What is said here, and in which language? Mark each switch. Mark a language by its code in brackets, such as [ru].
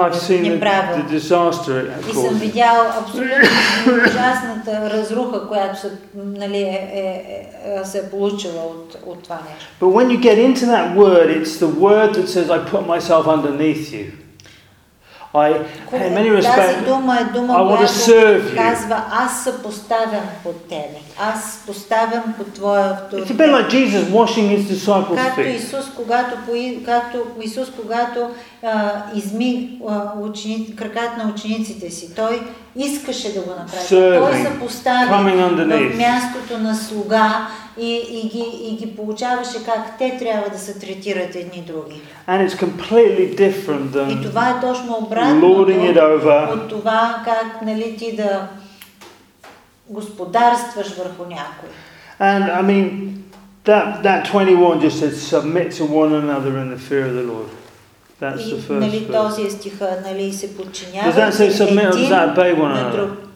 [en] And I've seen the disaster it has caused. [bg] И съм видял абсолютно ужасната разруха, която се, нали, се получила от това нещо. [en] But when you get into that word, it's the word that says I put myself underneath you. In many respects, I want to serve you. [bg] Казва, аз се поставям под тебе. Аз поставям под твоя авторитет. [en] It's a bit like Jesus washing his disciples' feet. [bg] Както Исус, когато изми краката на учениците си, той искаше да го направи. [en] Serving, [bg] той се постави на мястото на слуга и ги получаваше как те трябва да се третират едни други. [en] And it's completely different than [bg] и това е точно обратно от това как, нали, ти да господарстваш върху някой. [en] And I mean, that 21 just says submit to one another in the fear of the Lord. That's the first verse. [bg] Този е стиха, нали, се подчинява. [en] Does that say submit or does that obey one another?